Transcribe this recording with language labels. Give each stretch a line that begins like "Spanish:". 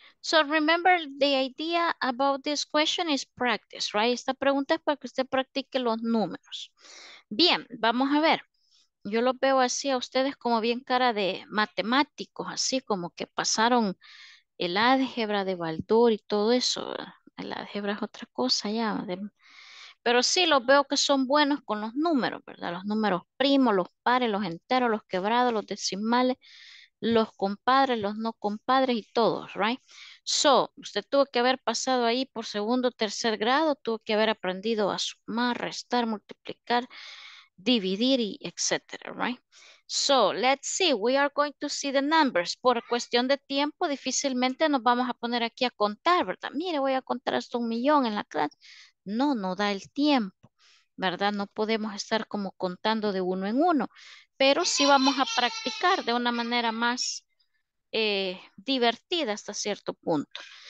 English: So remember, the idea about this question is practice, right?
Spanish: Esta pregunta es para que usted practique los números. Bien, vamos a ver. Yo los veo así a ustedes como bien cara de matemáticos, así como que pasaron el álgebra de Baldor y todo eso. El álgebra es otra cosa ya. Pero sí, los veo que son buenos con los números, ¿verdad? Los números primos, los pares, los enteros, los quebrados, los decimales, los compadres, los no compadres y todos, right? So, usted tuvo que haber pasado ahí por segundo o tercer grado, tuvo que haber aprendido a sumar, restar, multiplicar, dividir y etcétera, right?
English: So, let's see, we are going to see the numbers.
Spanish: Por cuestión de tiempo, difícilmente nos vamos a poner aquí a contar, ¿verdad? Mire, voy a contar hasta un millón en la clase. No, no da el tiempo, ¿verdad? No podemos estar como contando de uno en uno, pero sí vamos a practicar de una manera más divertida hasta cierto punto.